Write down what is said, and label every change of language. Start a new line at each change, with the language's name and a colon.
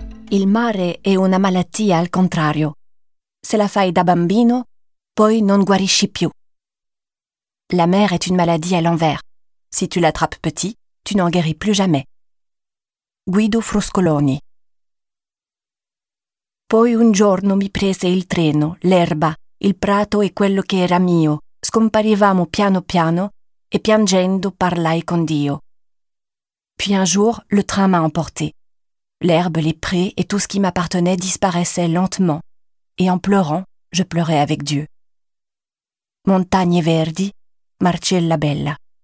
Italian: Il mare è una malattia al contrario. Se la fai da bambino, poi non guarisci più.
French: La mer est une maladie à l'envers. Si tu l'attrapes petit, tu n'en guéris plus jamais.
Italian: Guido Fruscoloni. Poi un giorno mi prese il treno, l'erba, il prato e quello che era mio. Scomparivamo piano piano e piangendo parlai con Dio.
French: Puis un jour, le train m'a emporté. L'herbe, les prés et tout ce qui m'appartenait disparaissaient lentement. Et en pleurant, je pleurais avec Dieu. Montagne verdi, Marcella Bella.